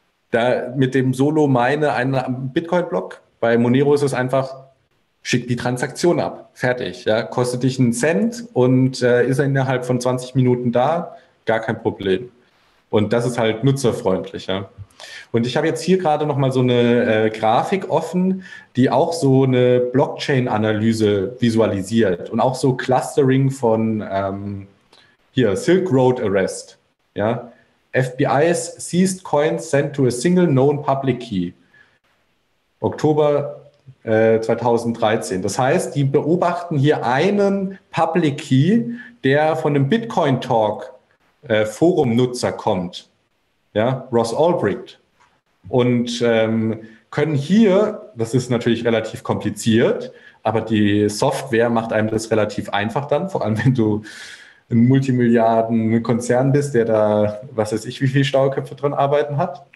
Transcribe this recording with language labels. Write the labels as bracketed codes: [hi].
[de] Da mit dem Solo meine einen Bitcoin-Block. Bei Monero ist es einfach, schick die Transaktion ab. Fertig. Ja, kostet dich einen Cent und ist innerhalb von 20 Minuten da. gar kein Problem. Und das ist halt nutzerfreundlicher. Und ich habe jetzt hier gerade nochmal so eine Grafik offen, die auch so eine Blockchain-Analyse visualisiert und auch so Clustering von hier Silk Road Arrest. Ja? [en] FBI's seized coins sent to a single known public key. [de] Oktober 2013. Das heißt, die beobachten hier einen Public Key, der von einem Bitcoin Talk Forum-Nutzer kommt. Ja, Ross Ulbricht. Und können hier, das ist natürlich relativ kompliziert, aber die Software macht einem das relativ einfach dann, vor allem wenn du ein Multimilliarden-Konzern bist, der da, was weiß ich, wie viele Stauköpfe dran arbeiten hat.